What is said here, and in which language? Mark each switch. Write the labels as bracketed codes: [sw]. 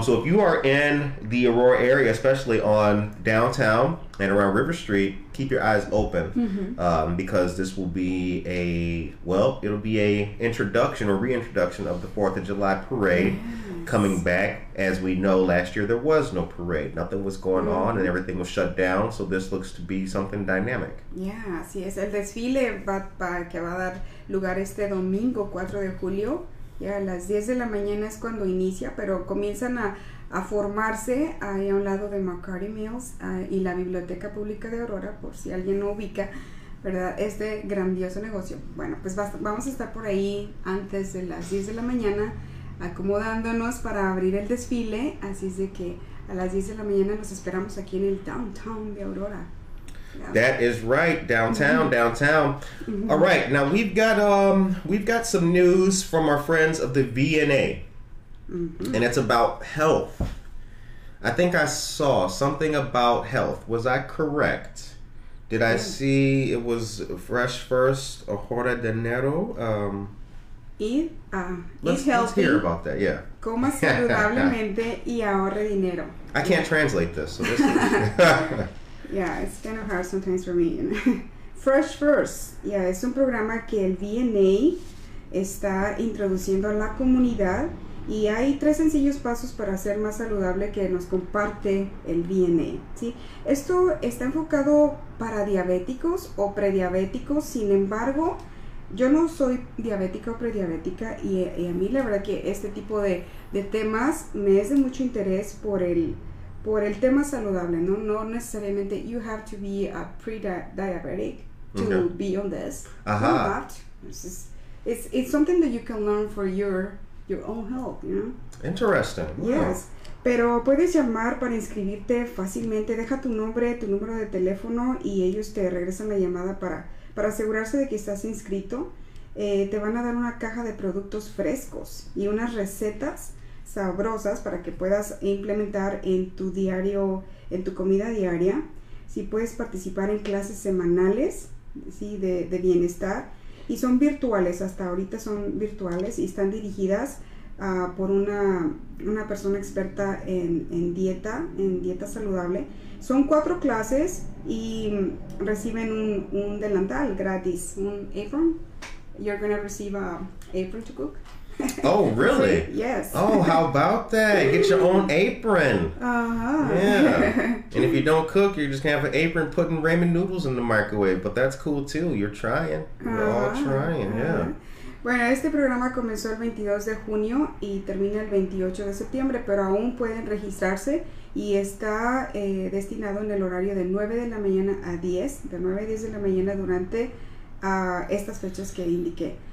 [en] So if you are in the Aurora area, especially on downtown and around River Street, keep your eyes open. Mm-hmm. Because this will be a introduction or reintroduction of the 4th of July parade. Yeah. Coming back. As we know, last year there was no parade. Nothing was going on and everything was shut down, so this looks to be something dynamic. [es] Yeah, así es. El desfile que va a dar lugar este domingo 4 de julio. Ya a las 10 de la mañana es cuando inicia, pero comienzan a formarse ahí a un lado de McCarty Mills y la Biblioteca Pública de Aurora, por si alguien no ubica, ¿verdad? Este grandioso negocio. Bueno, pues vamos a estar por ahí antes de las 10 de la mañana acomodándonos para abrir el desfile, así es de que a las 10 de la mañana nos esperamos aquí en el downtown de Aurora. [en] That is right, downtown, mm-hmm. downtown. Mm-hmm. All right, now we've got some news from our friends of the V&A, mm-hmm. and it's about health. I think I saw something about health. Was I correct? Did I see it was Fresh First, Aurora de Enero? Eat healthy. Let's hear about that, yeah. [es] Coma saludablemente y ahorre dinero. [en] I can't translate this. So this yeah, it's kind of hard sometimes for me. Fresh First. [es] Yeah, es un programa que el V&A está introduciendo a la comunidad. Y hay tres sencillos pasos para ser más saludable que nos comparte el V&A, ¿sí? Esto está enfocado para diabéticos o prediabéticos, sin embargo... Yo no soy diabética o prediabética y a mí la verdad que este tipo de temas me es de mucho interés por el tema saludable, ¿no? [en] No necesariamente you have to be a pre-diabetic to okay. be on this. Ajá. You don't have to. It's something that you can learn for your own health, you know? Interesting. [es] Yes. Wow. Pero puedes llamar para inscribirte fácilmente. Deja tu nombre, tu número de teléfono y ellos te regresan la llamada para asegurarse de que estás inscrito. Te van a dar una caja de productos frescos y unas recetas sabrosas para que puedas implementar en tu diario, en tu comida diaria. Si puedes participar en clases semanales, ¿sí? de bienestar. Y son virtuales, hasta ahorita son virtuales y están dirigidas por una persona experta en dieta saludable. Son cuatro clases y reciben un delantal gratis, un apron. [en] You're going to receive an apron to cook. Oh, really? Yes. Oh, how about that? Get your own apron. Uh-huh. Yeah. And if you don't cook, you're just going to have an apron putting ramen noodles in the microwave. But that's cool, too. You're trying. We're all trying, yeah. [es] Bueno, este programa comenzó el 22 de junio y termina el 28 de septiembre, pero aún pueden registrarse y está destinado en el horario de 9 de la mañana a 10, de 9 a 10 de la mañana durante estas fechas que indiqué.